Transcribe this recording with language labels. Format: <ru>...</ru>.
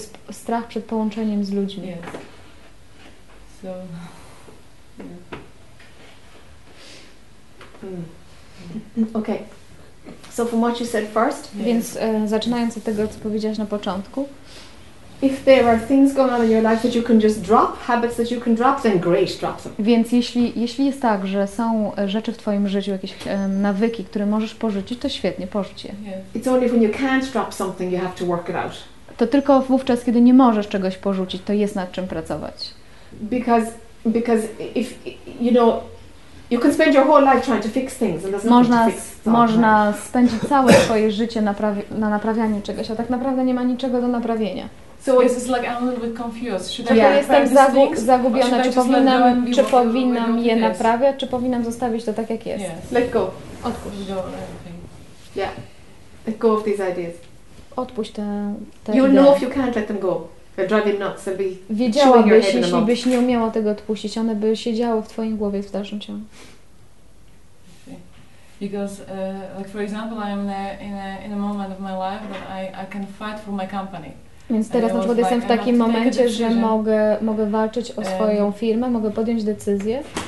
<pl>Strach przed połączeniem z ludźmi.</pl> <en>Yes. So, yeah. Okay. So from what you said first,</en> <pl>więc zaczynając od tego, co powiedziałaś na początku.</pl> <en>If there are things going on in your life that you can just drop, habits that you can drop, then great, drop them.</en> <pl>Więc jeśli jest tak, że są rzeczy w twoim życiu, jakieś nawyki, które możesz porzucić, to świetnie, porzuć je.</pl> <en>Yes. It's only when you can't drop something you have to work it out.</en> <pl>To tylko wówczas, kiedy nie możesz czegoś porzucić, to jest nad czym pracować.</pl> <en>Because if you know, you can spend your whole life trying to fix things and there's nothing to fix.</en> <pl>Można spędzić całe swoje życie na naprawianiu czegoś, a tak naprawdę nie ma niczego do naprawienia.</pl> <en>So this is like I'm a little bit confused.</en> <pl>Jestem zagubiona, czy powinnam je naprawiać, czy powinnam zostawić to tak jak jest.</pl> <en>Yes. Let go.</en> <pl>Odpuść.</pl> <en>Yeah. Let go of these ideas.</en> <pl>Odpuść te</pl> <en>you'll</en> <pl>idee.</pl> <en>Know if you can't let them go. They're driving nuts. They'll be</en> <pl>wiedziałabyś,</pl> <en>your head</en> <pl>jeśli byś nie umiała tego odpuścić, one by siedziały w twoim głowie w dalszym ciągu.</pl> <en>Because like for example I'm in a moment of my life that I can fight for my company.</en> <pl>Więc teraz na przykład jestem w takim momencie, że mogę walczyć o swoją firmę, mogę podjąć decyzję.</pl>